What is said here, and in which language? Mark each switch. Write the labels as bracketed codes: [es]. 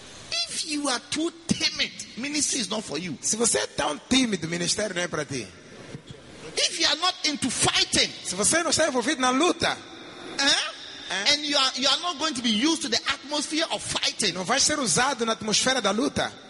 [en] If you are too timid, ministry is not for you. [pt] Se você é tão tímido, ministério não é para ti. [en] If you are not into fighting, [pt] se você não está envolvido na luta, [en] And you are not going to be used to the atmosphere of fighting, [pt] não vai ser usado na atmosfera da luta.